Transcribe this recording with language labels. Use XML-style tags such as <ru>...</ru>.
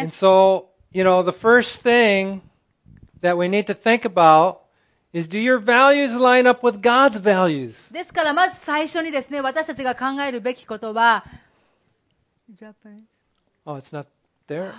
<en>And so, you know, the first thing that we need to think about is do your values line up with God's values?</en> <ja>ですからまず最初にですね、私たちが考えるべきことは、</ja> <en>Japanese. Oh, it's not there.</en>